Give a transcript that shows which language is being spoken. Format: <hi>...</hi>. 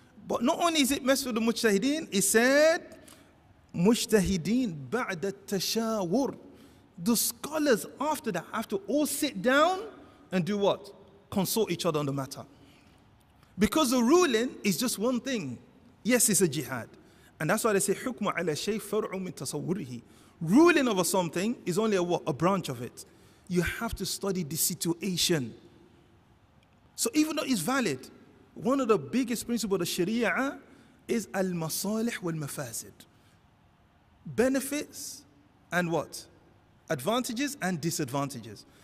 <en>But not only is it messed with the mujtahideen, it said,</en> <ar>mujtahideen ba'da tashawur.</ar> <en>The scholars after that have to all sit down and do what? Consult each other on the matter. Because the ruling is just one thing. Yes, it's a jihad.</en> <ar>And that's why they say, حُكْمُ عَلَى شَيْءٍ فَرْعُ مِنْ تَصَوُّرِهِ.</ar> <en>Ruling over something is only a what? A branch of it. You have to study the situation. So even though it's valid, one of the biggest principles of the sharia is al-masalih wal-mafasid. Benefits and what? Advantages and disadvantages.</en>